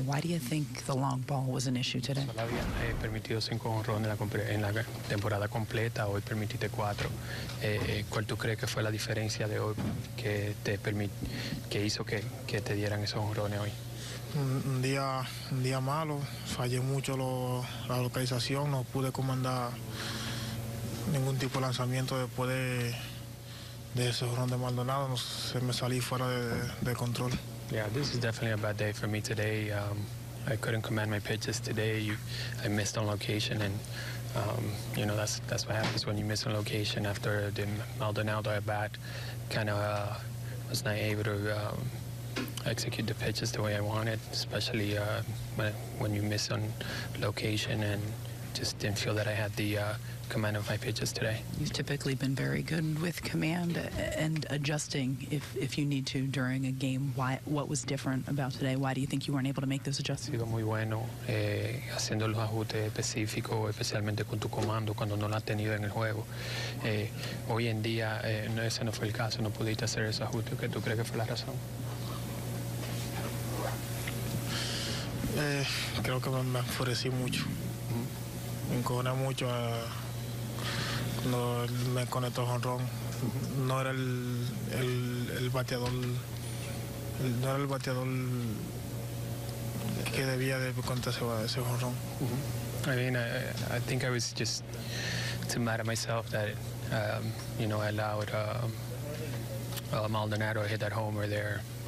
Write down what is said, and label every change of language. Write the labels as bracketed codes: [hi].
[en] Why do you think the long ball was an issue today? [es] Solo había permitido 5 home runs en la temporada completa. Hoy permitiste 4. ¿Cuál tú crees que fue la diferencia de hoy que te permitió, que hizo que te dieran esos home runs hoy? Un día malo. Fallé mucho la localización. No pude comandar ningún tipo de lanzamiento después de ese jonrón de Maldonado. Se me salí fuera de control. [en] Yeah, this is definitely a bad day for me today. I couldn't command my pitches today. I missed on location, and you know, that's what happens when you miss on location after the Maldonado at bat. Kind of was not able to execute the pitches the way I wanted, especially when you miss on location, and just didn't feel that I had the command of my pitches today. You've typically been very good with command and adjusting if you need to during a game. Why? What was different about today? Why do you think you weren't able to make those adjustments? [es] Sido muy bueno haciendo los ajustes específicos, especialmente con tu comando cuando no lo has tenido en el juego. Hoy en día no, ese no fue el caso. No pudiste hacer ese ajuste. ¿Qué tú crees que fue la razón? Creo que me enfurecí mucho. Me encojoné mucho cuando me conectó jonrón. No era el bateador. No era el bateador que debía de contarse ese jonrón. [en] I mean, I think I was just too mad at myself that I allowed Maldonado hit that homer there.